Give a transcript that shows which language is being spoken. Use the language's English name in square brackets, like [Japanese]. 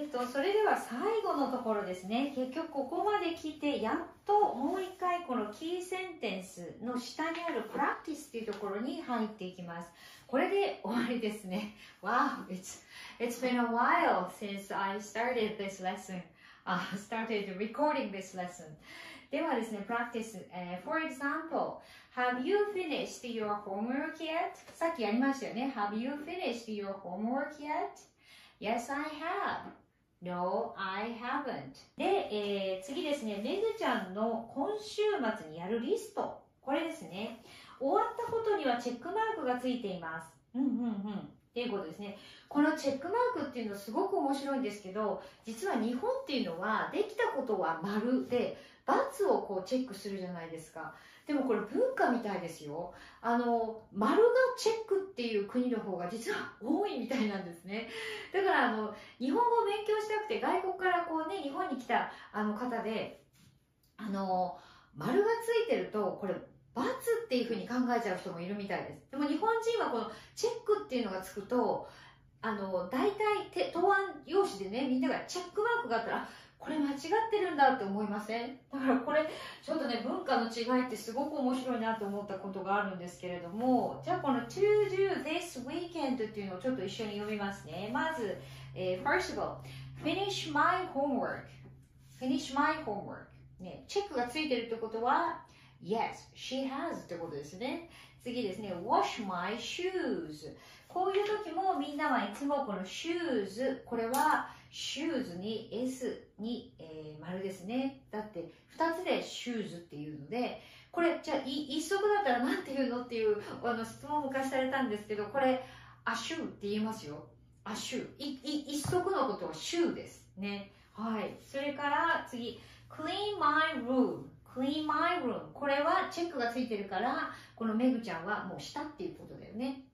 [Japanese] それでは最後のところですね。結局ここまで来てやっともう一回このキーセンテンスの下にあるプラクティスというところに入っていきます。これで終わりですね。 [English] Wow, it's been a while since I started this lesson、started recording this lesson. [Japanese] ではですね、プラクティス、 [English] For example, Have you finished your homework yet? [Japanese] さっきやりましたよね。 [English] Have you finished your homework yet? Yes, I have. No, I haven't. [Japanese] で、次ですね、ねずちゃんの今週末にやるリスト、これですね。終わったことにはチェックマークがついています。っていうことですね。このチェックマークっていうのすごく面白いんですけど、実は日本っていうのはできたことは丸で、バツをこうチェックするじゃないですか。でもこれ文化みたいですよ。丸がチェックっていう国の方が実は多いみたいなんですね。だから日本語を勉強したくて外国からこうね、日本に来た方で、丸がついてると、これ、罰っていうふうに考えちゃう人もいるみたいです。でも日本人はこのチェックっていうのがつくと、大体答案用紙でね、みんながチェックマークがあったら、これ間違ってるんだって思いません？だからこれ、ちょっとね、文化の違いってすごく面白いなと思ったことがあるんですけれども、じゃあこの [English] to do this weekend [Japanese] っていうのをちょっと一緒に読みますね。まず、 [English] first of all, finish my homework. Finish my homework. [Japanese] ね、チェックがついてるってことは、 [English] Yes, she has [Japanese] ってことですね。次ですね、 [English] wash my shoes。 [Japanese] こういう時もみんなはいつもこの shoes、これは shoes に s に、丸ですね。だって2つで shoes っていうので、これじゃあ一足だったらなんて言うのっていう質問を昔されたんですけど、これ [English] a shoe [Japanese] って言いますよ。 [English] a shoe。 [Japanese] 一足のことは shoe です。ね。はい。それから次、 [English] clean my room。 Clean my room. [Japanese] これはチェックがついてるから、このメグちゃんはもうしたっていうことだよね。